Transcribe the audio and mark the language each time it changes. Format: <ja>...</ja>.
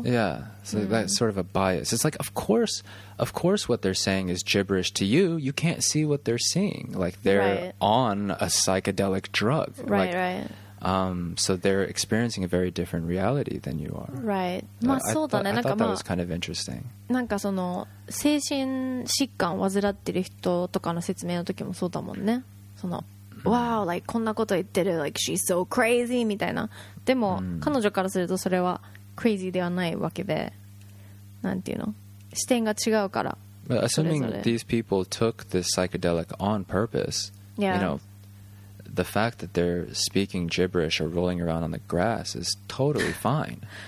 <en>Yeah. So that's sort of a bias. It's like, of course what they're saying is gibberish to you. You can't see what they're seeing. Like they're on a psychedelic drug. Right, right. So they're experiencing a very different reality than you are. Right.</en> <ja>まあそうだね。</ja> <en>I thought that was kind of interesting.</en> <ja>なんかその精神疾患を患ってる人とかの説明の時もそうだもんね。その、</ja> <en>wow, like,</en> <ja>こんなこと言ってる、</ja> <en>like, she's so crazy,</en> <ja>みたいな。でも、彼女からするとそれは crazy ではないわけで、なんていうの? 視点が違うから。</ja> <en>But assuming these people took this psychedelic on purpose, yeah. you know, the fact that they're speaking gibberish or rolling around on the grass is totally fine.</en>